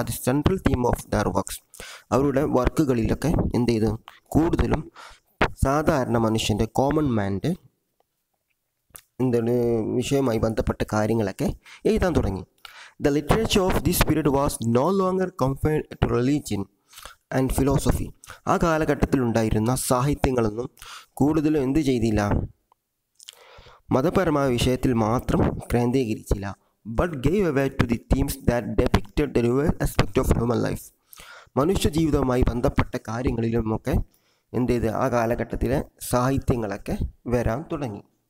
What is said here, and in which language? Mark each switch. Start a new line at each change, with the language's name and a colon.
Malayalam: അത്
English: Central theme of their works.
Malayalam: അവരുടെ വർക്കുകളിലൊക്കെ എന്ത് ചെയ്തു, കൂടുതലും സാധാരണ മനുഷ്യൻ്റെ, കോമൺ മാൻ്റെ എന്താണ് വിഷയവുമായി ബന്ധപ്പെട്ട കാര്യങ്ങളൊക്കെ എഴുതാൻ തുടങ്ങി.
English: The literature of this period was no longer confined to religion and philosophy.
Malayalam: ആ കാലഘട്ടത്തിലുണ്ടായിരുന്ന സാഹിത്യങ്ങളൊന്നും കൂടുതലും എന്ത് ചെയ്തില്ല, മതപരമായ വിഷയത്തിൽ മാത്രം കേന്ദ്രീകരിച്ചില്ല.
English: But gave away to the themes that depicted the real aspect of human life.
Malayalam: മനുഷ്യജീവിതവുമായി ബന്ധപ്പെട്ട കാര്യങ്ങളിലുമൊക്കെ എന്ത് ചെയ്ത് ആ കാലഘട്ടത്തിലെ സാഹിത്യങ്ങളൊക്കെ വരാൻ തുടങ്ങി.